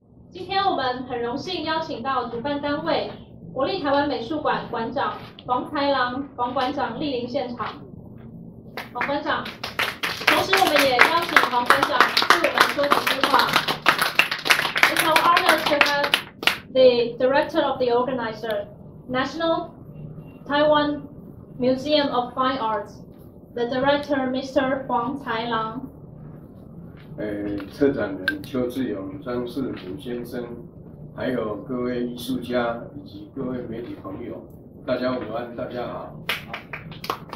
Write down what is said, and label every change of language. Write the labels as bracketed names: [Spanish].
[Chinese] 今天我们很荣幸邀请到主办单位国立台湾美术馆馆长黄开郎黄馆长莅临现场，黄馆长。同时，我们也邀请黄馆长为我们说几句话。 [English] It's an honor to have the director of the organizer, National Taiwan Museum of Fine Arts, the director, Mr. [Chinese] 黄才郎。策展人邱志勇、张世虎先生，还有各位艺术家以及各位媒体朋友，大家午安，大家好。